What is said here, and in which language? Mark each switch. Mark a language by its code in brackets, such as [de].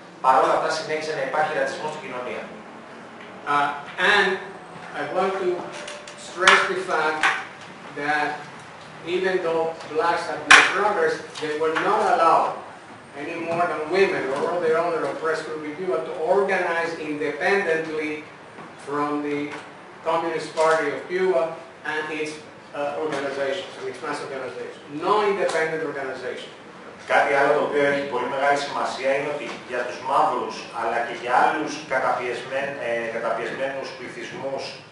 [el] Παρ' όλα αυτά συνέχισε να υπάρχει ρατσισμός στην κοινωνία. [en] And I want to stress the fact that even though blacks had made progress, they were not allowed, any more than women or other oppressed group of people, to organize independently from the Communist Party of Cuba and its organizations, and its mass organizations. No independent organization. [el] Κάτι άλλο το οποίο έχει πολύ μεγάλη σημασία είναι ότι για τους μαύρους αλλά και για άλλους καταπιεσμένους πληθυσμούς